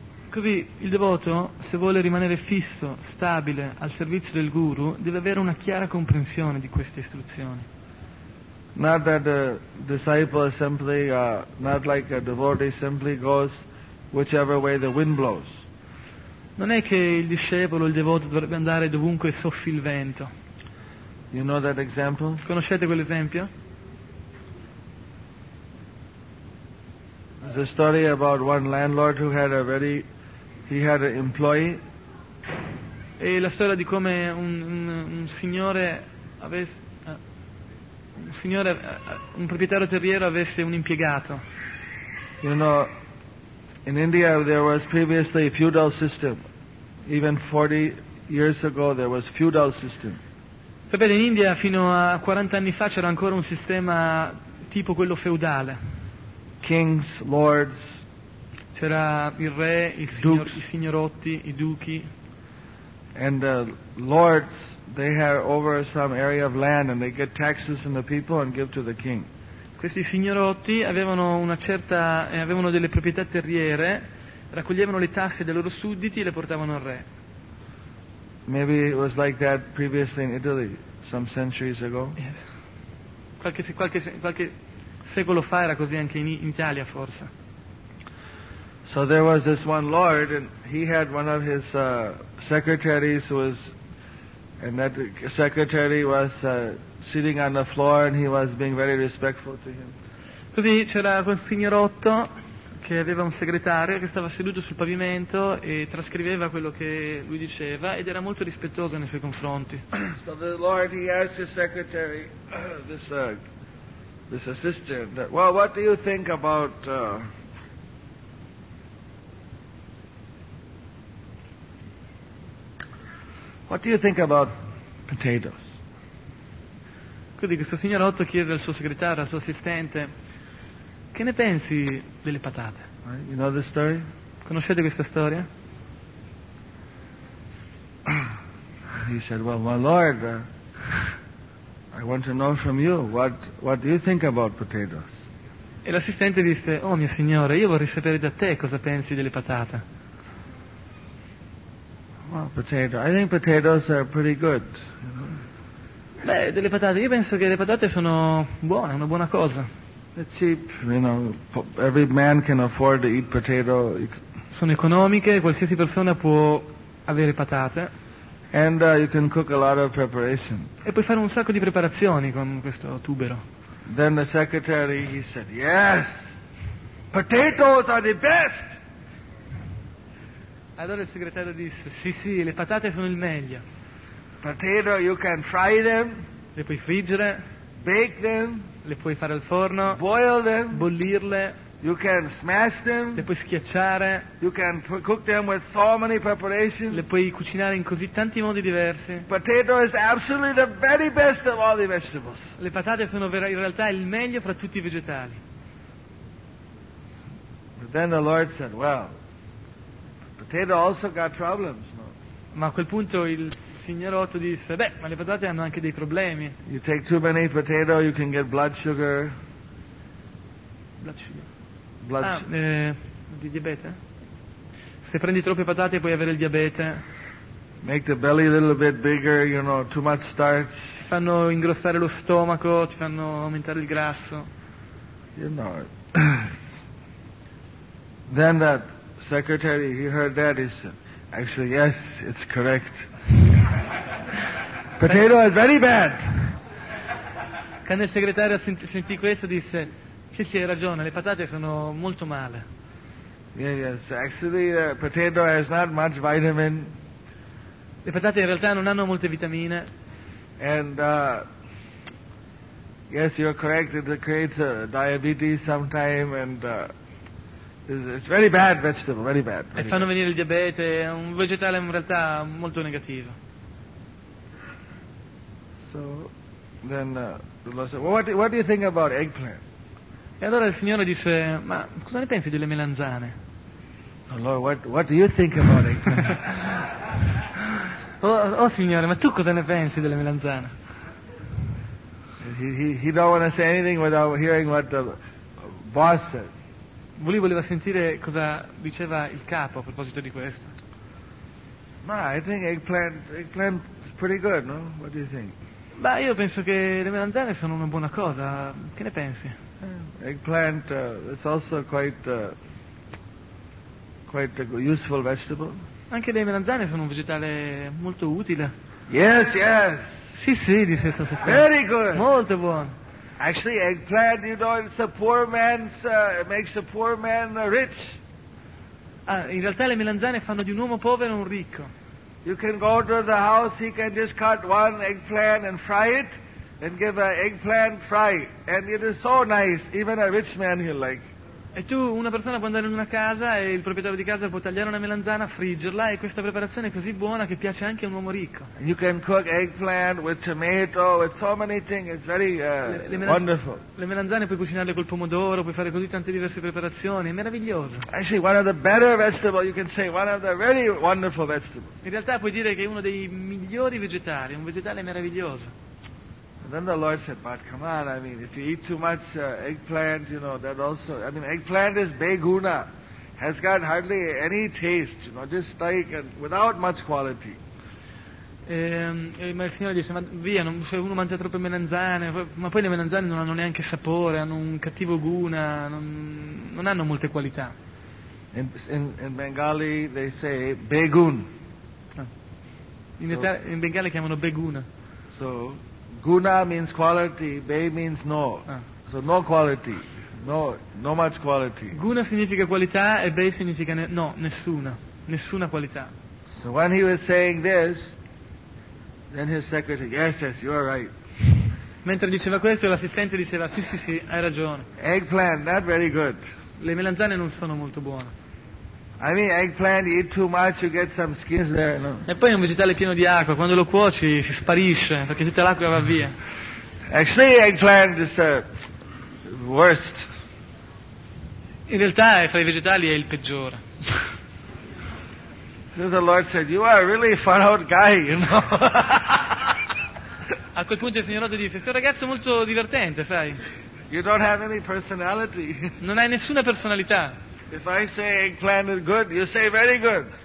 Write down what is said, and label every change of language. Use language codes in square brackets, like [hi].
[it] Così il devoto, se vuole rimanere fisso, stabile al servizio del guru, deve avere una chiara comprensione di queste istruzioni. [en] Not that the disciple simply, not like a devotee simply goes whichever way the wind blows. [it] Non è che il discepolo, il devoto dovrebbe andare dovunque soffi il vento. [en] You know that example? [it] Conoscete quell'esempio? [en] There's a story about one landlord who had had an employee. [it] E la storia di come un proprietario terriero avesse un impiegato. [en] You know, In India there was previously a feudal system. Even 40 years ago there was a feudal system. [it] Sapete, in India fino a 40 anni fa c'era ancora un sistema tipo quello feudale. [en] Kings, lords, [it] c'era il re, il signor, i signorotti, i duchi. [en] And the lords, they have over some area of land and they get taxes from the people and give to the king. [it] Questi signorotti avevano una certa, avevano delle proprietà terriere, raccoglievano le tasse dei loro sudditi e le portavano al re. [en] Maybe it was like that previously in Italy, some centuries ago. Yes. [it] Qualche secolo fa era così anche in Italia forse. [en] So there was this one lord and he had one of his secretaries who was, and that secretary was sitting on the floor and he was being very respectful to him. [it] Così c'era quel signorotto che aveva un segretario che stava seduto sul pavimento e trascriveva quello che lui diceva ed era molto rispettoso nei suoi confronti. [en] So the lord, he asked his secretary, this assistant, that, well, what do you think about what do you think about potatoes? [it] Quindi questo signorotto chiede al suo segretario, al suo assistente, che ne pensi delle patate? [en] You know the story? [it] Conoscete questa storia? [en] He said, well, my lord, I want to know from you, what do you think about potatoes? [it] E l'assistente disse, oh mio signore, io vorrei sapere da te cosa pensi delle patate. [en] Well, potato. I think potatoes are pretty good. [it] Beh, delle patate. Io penso che le patate sono buone, una buona cosa. [en] They're cheap, you know. Every man can afford to eat potato. [it] Sono economiche. Qualsiasi persona può avere patate. [en] And you can cook a lot of preparation. [it] E puoi fare un sacco di preparazioni con questo tubero. [en] Then the secretary, he said, yes, potatoes are the best. [it] Allora il segretario disse, sì sì, le patate sono il meglio. [en] Potato, you can fry them. [it] Le puoi friggere. [en] Bake them. [it] Le puoi fare al forno. [en] Boil them. [it] Bollirle. [en] You can smash them. [it] Le puoi schiacciare. [en] You can cook them with so many preparations. [it] Le puoi cucinare in così tanti modi diversi. [en] Potato is absolutely the very best of all the vegetables. [it] Le patate sono in realtà il meglio fra tutti i vegetali. [en] But then the Lord said, well, potato also got problems, no? [it] Ma a quel punto il signorotto disse, beh, ma le patate hanno anche dei problemi. [en] You take too many potato, you can get blood sugar. Blood sugar? Blood [it] Di diabete? Se prendi troppe patate puoi avere il diabete. [en] Make the belly a little bit bigger, you know, too much starch. [it] Ti fanno ingrossare lo stomaco, ti fanno aumentare il grasso. [en] You know. Then that secretary, he heard that, he said, actually, yes, it's correct. Potato is very bad. [it] Quando il segretario sentì questo, disse, sì, sì, hai ragione, le patate sono molto male. [en] Yeah, yes, actually, potato has not much vitamin. [it] Le patate in realtà non hanno molte vitamine. [en] And, yes, you're correct, it creates diabetes sometime, and... It's very bad vegetable, very bad. [it] E fanno venire il diabete, è un vegetale in realtà molto negativo. [en] So then the Lord said, well, what do you think about eggplant? [it] E allora il Signore dice, ma cosa ne pensi delle melanzane? [en] Oh Lord, what do you think about eggplant? [it] oh Signore, ma tu cosa ne pensi delle melanzane? [en] He don't want to say anything without hearing what the boss said. [it] Lui voleva sentire cosa diceva il capo a proposito di questo. [en] Ma, I think eggplant is pretty good, no? What do you think? [it] Ma io penso che le melanzane sono una buona cosa. Che ne pensi? [en] Eggplant is also quite a useful vegetable. [it] Anche le melanzane sono un vegetale molto utile. [en] Yes, yes. [it] Sì, sì, dice il suo assistente. [en] Very good. [it] Molto buono. [en] Actually, eggplant, you know, it's a poor man's makes a poor man rich. [it] Ah, in realtà le melanzane fanno di un uomo povero un ricco. [en] You can go to the house; he can just cut one eggplant and fry it, and give an eggplant fry, and it is so nice. Even a rich man he'll like. [it] E tu, una persona può andare in una casa e il proprietario di casa può tagliare una melanzana, friggerla, e questa preparazione è così buona che piace anche a un uomo ricco. [en] You can cook eggplant with tomato, with so many things, it's very wonderful. [it] Le melanzane puoi cucinarle col pomodoro, puoi fare così tante diverse preparazioni, è meraviglioso. [en] Actually, one of the better vegetables, you can say, one of the really wonderful vegetables. [it] In realtà puoi dire che è uno dei migliori vegetali, un vegetale meraviglioso. [en] Then the Lord said, "But come on! I mean, if you eat too much eggplant, you know that also. I mean, eggplant is beguna, has got hardly any taste. You know, just like and without much quality." [it] Ma il Signore disse, ma via, non, se uno mangia troppe melanzane, ma poi le melanzane non hanno neanche sapore, hanno un cattivo guna, non hanno molte qualità. [en] In Bengali they say begun. [it] In Bengali chiamano beguna. [en] So. Guna means quality, be means no. So no quality, no much quality. [it] Guna significa qualità e be significa nessuna qualità. [en] So when he was saying this, then his secretary, yes, you are right. [it] Mentre diceva questo, l'assistente diceva, sì, hai ragione. [en] Eggplant, not very good. [it] Le melanzane non sono molto buone. [en] I mean, eggplant, you eat too much, you get some skins there, no? [it] E poi è un vegetale pieno di acqua, quando lo cuoci si sparisce, perché tutta l'acqua va via. [en] Actually, eggplant is the worst. [it] In realtà, fra i vegetali, è il peggiore. [en] So the Lord said, you are a really far out guy, you know? [it] A quel punto il Signore disse, sei un ragazzo molto divertente, sai? [en] You don't have any personality. [it] Non hai nessuna personalità. [en] If I say eggplant is good, you say very good.